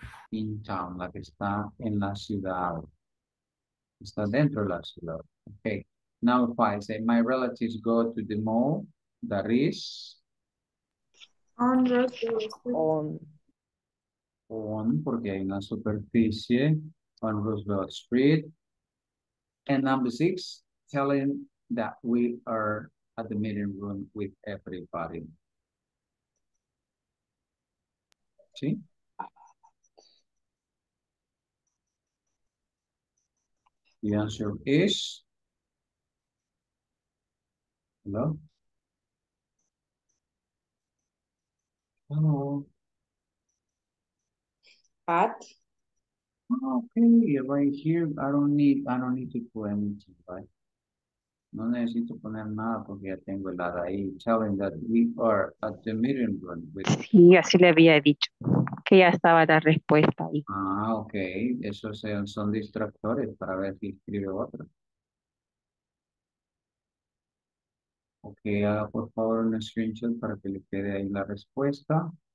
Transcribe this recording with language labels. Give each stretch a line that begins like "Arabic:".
English: In town,
Spanish: la que está en la ciudad. Está dentro de la ciudad. Okay.
English: Now if I say my relatives go to the mall, that is on Roosevelt Street,
Spanish: porque hay una superficie
English: on Roosevelt Street. And number six, telling that we are at the meeting room with everybody.
Spanish: Sí.
English: The answer is, hello? Hello? Pat? Okay, right here, I don't need to put anything, right?
Spanish: No necesito poner nada porque ya tengo el ADA ahí.
English: Telling that we are at the meeting room. With...
Spanish: Sí, así le había dicho, que ya estaba la respuesta ahí. Ah, ok. Esos son distractores para ver si escribe otro. Ok, haga por favor un screenshot para que le quede ahí la respuesta.